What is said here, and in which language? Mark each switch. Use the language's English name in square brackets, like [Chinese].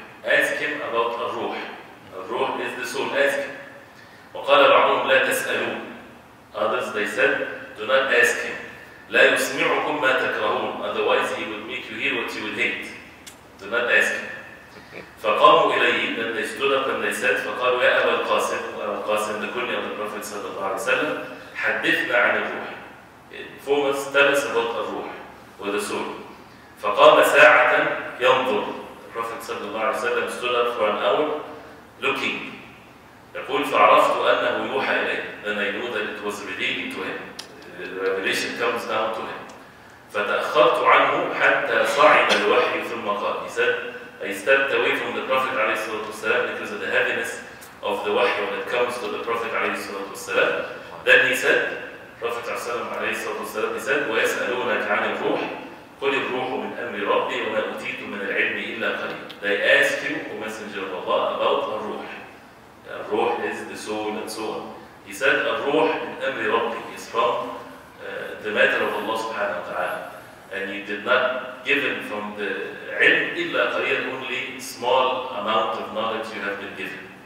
[English] Ask him about a ruh. A ruh is the soul. Ask him. [Arabic] وَقَالَ بَعْضُهُمْ لَا تَسْأَلُوهُ. [English] Others they said, do not ask him. [Arabic] لَا يُسْمِعُكُمْ مَا تَكْرَهُونَ. [English] Otherwise he would make you hear what you would hate. Do not ask him. [Arabic] فقاموا إليه. [English] Then they stood up and they said, [Arabic] فقالوا يا أبا القاسم. [English] أبا القاسم the kunya of the Prophet صلى الله عليه وسلم. [Arabic] حدثنا عن الروح. [English] Inform us, tell us about الروح or the soul. [Arabic] فقام ساعة ينظر. [English] The Prophet صلى الله عليه وسلم stood up for an hour looking. [Arabic] يقول فعرفت أنه يوحى إليه. [English] Then I knew that it was revealing to him. The revelation comes down to him. [Arabic] فتأخرت عنه حتى صعد الوحي ثم قال. [English] He said, I stepped away from the Prophet ﷺ because of the heaviness of the wahy when it comes to the Prophet ﷺ. Then he said, Prophet ﷺ, he said, [Arabic] وَيَسْأَلُونَكَ عَنِ الْرُوحِ قُلِ الْرُوحُ مِنْ أَمْرِ رَبِّي وَمَا أُتِيتُ مِنَ الْعِلْمِ إِلَّا قَلِيلٌ. [English] They ask you, O Messenger of Allah, about الروح. الروح is the soul and so on. He said, [Arabic] الروح مِنْ أَمْرِ رَبِّي [English] is from the matter of Allah subhanahu wa ta'ala. And you did not give him from the ilm [Arabic] illa qareel, [English] only small amount of knowledge you have been given.